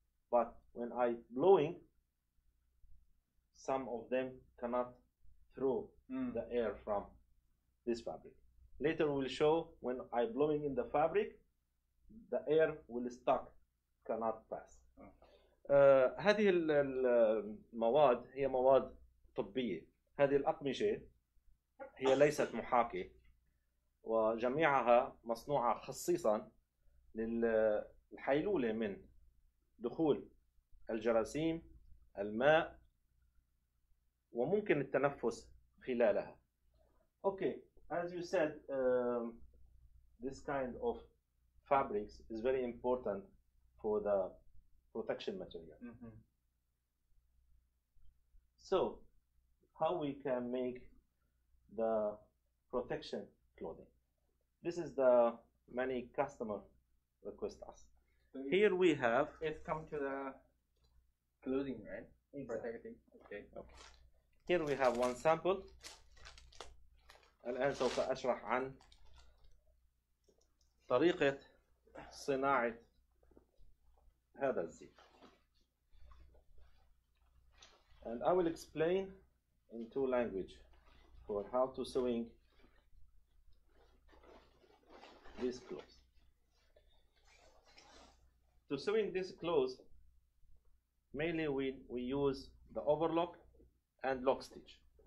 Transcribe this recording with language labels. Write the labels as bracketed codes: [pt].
[en] But when I blowing, some of them cannot throw the air from this fabric. Later we'll show when I blowing in the fabric, the air will stuck, cannot pass. [ar] هذه المواد هي مواد طبية. هذه الأقمشة هي ليست محاكي وجميعها مصنوعة خصيصا للحيلولة من دخول الجراثيم الماء وممكن التنفس خلالها. [en] Okay, as you said, this kind of fabrics is very important for the protection material. So how we can make the protection clothing? This is the many customer request us. So here we have it come to the clothing, right? Exactly. Protecting. Okay. Here we have one sample. [ar] الآن سوف أشرح عن طريقة صناعة هذا الزيت. [en] And I will explain in two language for how to sewing this clothes. To sewing this clothes, mainly we use the overlock and lock stitch.